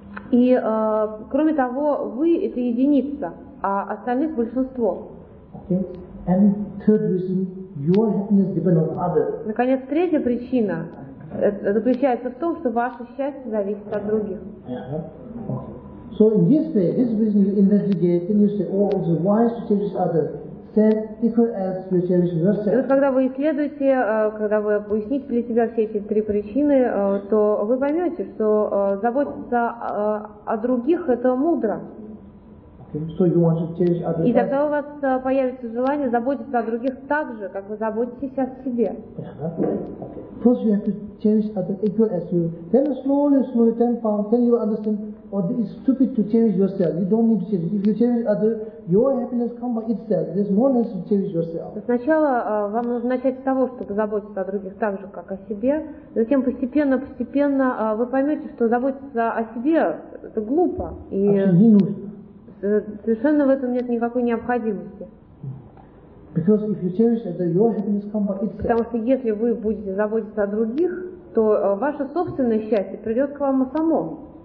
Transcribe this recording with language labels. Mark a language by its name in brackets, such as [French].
[Russian] И кроме того, вы — это единица, а остальных — большинство. Наконец, третья причина заключается в том, что ваше счастье зависит от других. [English] So in this way, this reason you investigate, then you say, oh, it's wise to cherish others, same equal as you cherish yourself. [Russian] Когда вы исследуете, когда вы объясните для себя все эти три причины, то вы поймете, что заботиться о других — это мудро. [English] So you want to cherish others. [Russian] И тогда у вас появится желание заботиться о других так же, как вы заботитесь о себе. [English] First you have to cherish others equal as you. Then slowly, slowly, then you understand, oh, it's stupid to cherish yourself. You don't need to cherish. If you cherish others, your happiness comes by itself. There's no need to cherish yourself. [Russian] Сначала вам нужно начать с того, чтобы заботиться о других так же, как о себе. Затем постепенно вы поймете, что заботиться о себе — это глупо. И не нужно. Совершенно в этом нет никакой необходимости. [English] Because if you cherish others, your happiness comes by itself. [Russian] Потому что если вы будете заботиться о других, то ваше собственное счастье придет к вам само.